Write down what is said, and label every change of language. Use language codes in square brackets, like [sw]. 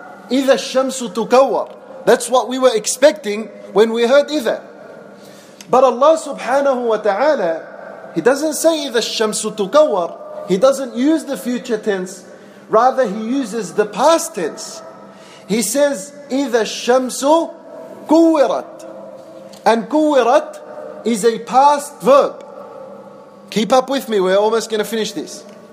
[ar] إِذَا الشَّمْسُ تُكَوَّرْ. [en] That's what we were expecting when we heard إِذَا. But Allah subhanahu wa ta'ala, He doesn't say [ar] إِذَا الشَّمْسُ تُكَوَّرْ. [en] He doesn't use the future tense. Rather, He uses the past tense. He says, [ar] إِذَا الشَّمْسُ كُوِّرَتْ. [en] And كُوِّرَتْ is a past verb. Keep up with me, we're almost going to finish this.